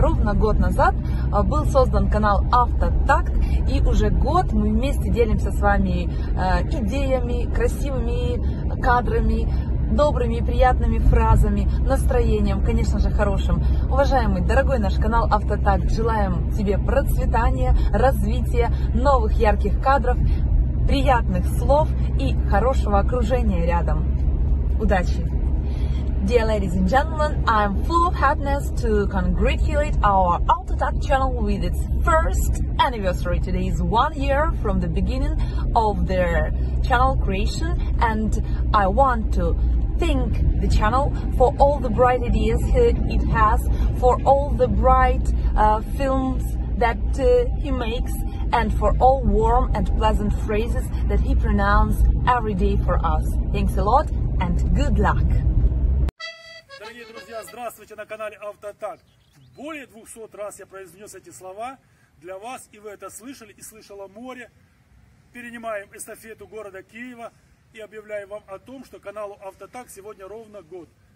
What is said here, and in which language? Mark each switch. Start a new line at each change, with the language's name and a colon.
Russian: Ровно год назад был создан канал «Автотакт», и уже год мы вместе делимся с вами идеями, красивыми кадрами, добрыми и приятными фразами, настроением, конечно же, хорошим. Уважаемый, дорогой наш канал «Автотакт», желаем тебе процветания, развития, новых ярких кадров, приятных слов и хорошего окружения рядом. Удачи!
English: Dear ladies and gentlemen, I am full of happiness to congratulate our AutoTag channel with its first anniversary. Today is 1 year from the beginning of their channel creation, and I want to thank the channel for all the bright ideas it has, for all the bright films that he makes, and for all warm and pleasant phrases that he pronounces every day for us. Thanks a lot and good luck!
Russian: Дорогие друзья, здравствуйте на канале «Автотакт». Более 200 раз я произнес эти слова для вас, и вы это слышали, и слышало море. Перенимаем эстафету города Киева и объявляем вам о том, что каналу «Автотакт» сегодня ровно год.